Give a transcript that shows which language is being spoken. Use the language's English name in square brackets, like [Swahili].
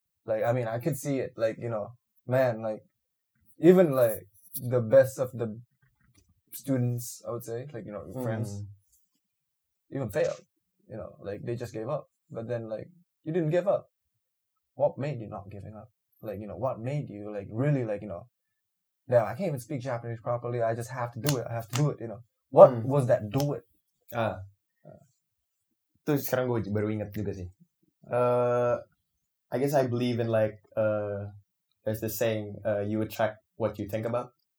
[English] Like, I mean, I could see it, like, you know, man, like, even, like, the best of the students, I would say, like, you know, friends, even failed, you know, like, they just gave up. But then, like, you didn't give up. What made you not giving up? Like, you know, what made you, like, really, like, you know, damn, I can't even speak Japanese properly, I just have to do it, I have to do it, you know. What was that do it? [Indonesian] Itu sekarang gue baru ingat juga sih. [English] I guess I believe in like there's this saying you attract what you think about.